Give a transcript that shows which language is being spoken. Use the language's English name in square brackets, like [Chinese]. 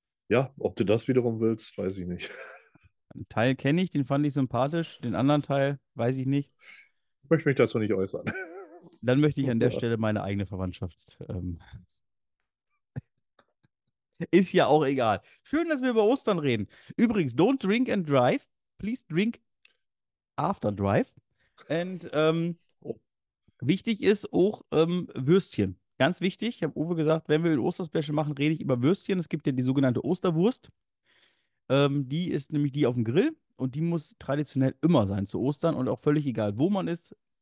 [German] Ja, ob du das wiederum willst, weiß ich nicht. Einen Teil kenne ich, den fand ich sympathisch, den anderen Teil weiß ich nicht. Ich möchte mich dazu nicht äußern. Dann möchte ich an der Stelle meine eigene Verwandtschaft. Ist ja auch egal. Schön, dass wir über Ostern reden. Übrigens, [English] don't drink and drive. Please drink after drive. [German] And wichtig ist auch Würstchen. Ganz wichtig, ich habe Uwe gesagt, wenn wir ein Osterspecial machen, rede ich über Würstchen. Es gibt ja die sogenannte Osterwurst. Die ist nämlich die auf dem Grill und die muss traditionell immer sein zu Ostern und auch völlig egal, wo man ist.